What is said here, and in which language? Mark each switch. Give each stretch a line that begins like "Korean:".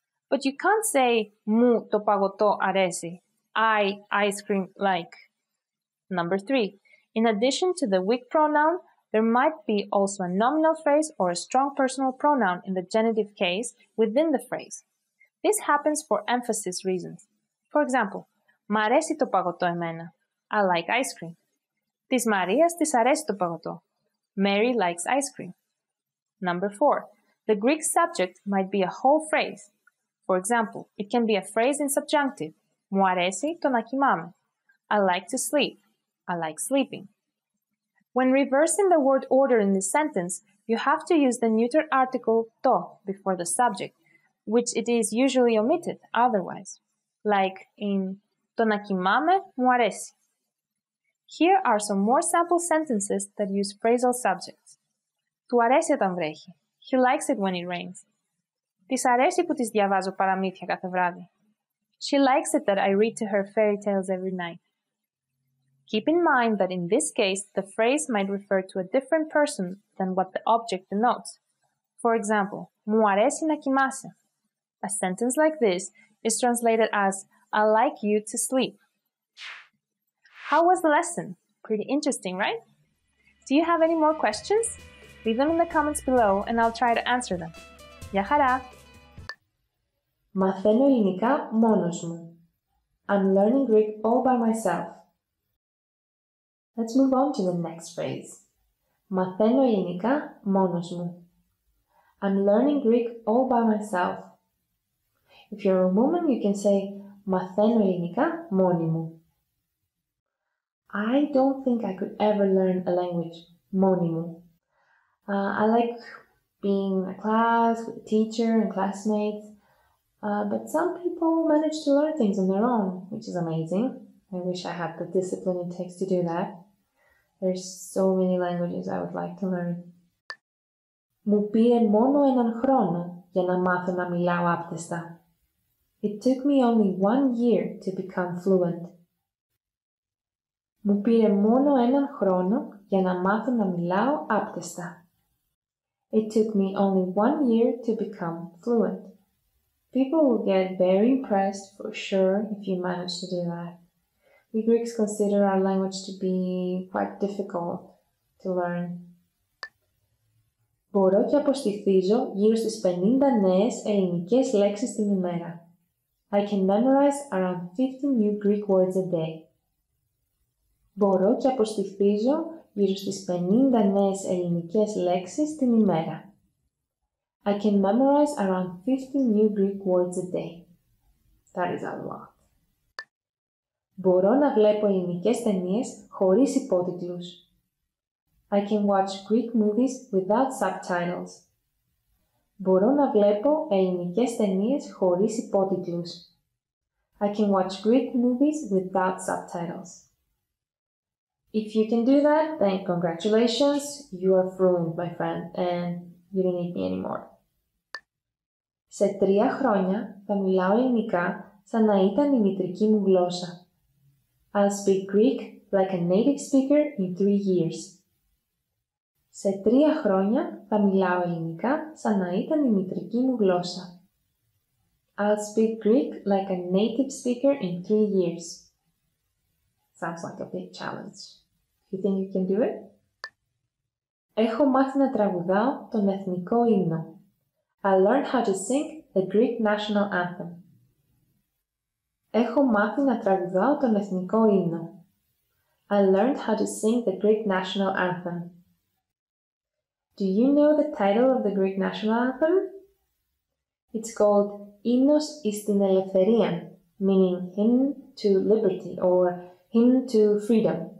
English: But you can't say,
Greek: mou to pagoto aresi,
English: I ice cream like. Number three, in addition to the weak pronoun, there might be also a nominal phrase or a strong personal pronoun in the genitive case within the phrase. This happens for emphasis reasons. For example,
Greek: μ' αρέσει το παγωτό εμένα.
English: I like ice cream.
Greek: Της Μαρίας της αρέσει το παγωτό.
English: Mary likes ice cream. Number four, the Greek subject might be a whole phrase. For example, it can be a phrase in subjunctive.
Greek: Μου αρέσει το να κοιμάμαι.
English: I like to sleep. I like sleeping. When reversing the word order in this sentence, you have to use the neuter article to before the subject, which it is usually omitted otherwise. Like in
Greek: το να κοιμάμαι μου αρέσει.
English: Here are some more sample sentences that use phrasal subjects.
Greek: Του αρέσει όταν βρέχει.
English: He likes it when it rains.
Greek: Της αρέσει που της διαβάζω παραμύθια κάθε βράδυ.
English: She likes it that I read to her fairy tales every night. Keep in mind that in this case, the phrase might refer to a different person than what the object denotes. For example,
Greek: μου αρέσει να κοιμάσαι.
English: A sentence like this is translated as, I like you to sleep. How was the lesson? Pretty interesting, right? Do you have any more questions? Leave them in the comments below and I'll try to answer them.
Greek: Γεια χαρά! Μαθαίνω ελληνικά μόνος μου.
English: I'm learning Greek all by myself. Let's move on to the next phrase.
Greek: Μαθαίνω ελληνικά μόνος μου.
English: I'm learning Greek all by myself. If you're a woman, you can say
Greek: Μαθαίνω ελληνικά μόνη μου.
English: I don't think I could ever learn a language
Greek: μόνη μου.
English: I like being in a class with a teacher and classmates, but some people manage to learn things on their own, which is amazing. I wish I had the discipline it takes to do that. There's so many languages I would like to learn.
Greek: Μου πήρε μόνο έναν χρόνο για να μάθω να μιλάω άπτεστα.
English: It took me only 1 year to become fluent.
Greek: Μου πήρε μόνο έναν χρόνο για να μάθω να μιλάω άπτεστα.
English: It took me only 1 year to become fluent. People will get very impressed for sure if you manage to do that. We Greeks consider our language to be quite difficult to learn.
Greek: Μπορώ και αποστηθίζω γύρω στις 50 νέες ελληνικές λέξεις την ημέρα.
English: I can memorize around 50 new Greek words a day.
Greek: Μπορώ και αποστηθίζω γύρω στις 50 νέες ελληνικές λέξεις την ημέρα.
English: I can memorize around 50 new Greek words a day. That is a lot.
Greek: Μπορώ να βλέπω ελληνικές ταινίες χωρίς υπότιτλους.
English: I can watch Greek movies without subtitles.
Greek: Μπορώ να βλέπω ελληνικές ταινίες χωρίς υπότιτλους.
English: I can watch Greek movies without subtitles. If you can do that, then congratulations, you are fluent, my friend, and you don't need me anymore.
Greek: Σε 3 χρόνια θα μιλάω ελληνικά σαν να ήταν η μητρική μου γλώσσα.
English: I'll speak Greek like a native speaker in 3 years.
Greek: Σε 3 χρόνια θα μιλάω ελληνικά σαν να ήταν η μητρική μου γλώσσα.
English: I'll speak Greek like a native speaker in 3 years. Sounds like a big challenge. You think you can do it?
Greek: Έχω μάθει να τραγουδάω τον εθνικό ύμνο.
English: I learned how to sing the Greek national anthem.
Greek: Έχω μάθει να τραγουδάω τον εθνικό ύμνο.
English: I learned how to sing the Greek national anthem. Do you know the title of the Greek national anthem? It's called Ύμνος εις την Ελευθερία, meaning hymn to liberty or hymn to freedom.